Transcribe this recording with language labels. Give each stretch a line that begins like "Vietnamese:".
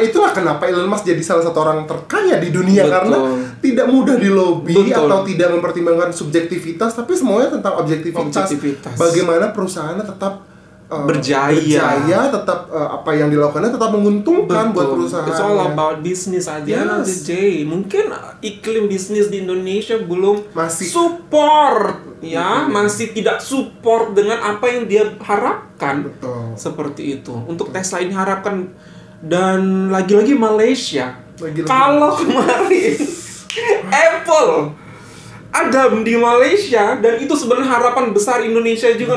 Indonesian: Ya itulah kenapa Elon Musk jadi salah satu orang terkaya di dunia betul. Karena tidak mudah dilobi atau tidak mempertimbangkan subjektivitas, tapi semuanya tentang objektivitas. Bagaimana perusahaannya tetap berjaya, tetap apa yang dilakukannya tetap menguntungkan Buat perusahaannya.
English: It's all about business at the end of the day.
Indonesian: Mungkin iklim bisnis di Indonesia belum masih support ya, masih tidak support dengan apa yang dia harapkan. Betul. Seperti itu. Untuk betul. Tesla ini harapkan, dan lagi-lagi Malaysia. Lagi-lagi. Kalau kemarin Apple ada di Malaysia, dan itu sebenarnya harapan besar Indonesia juga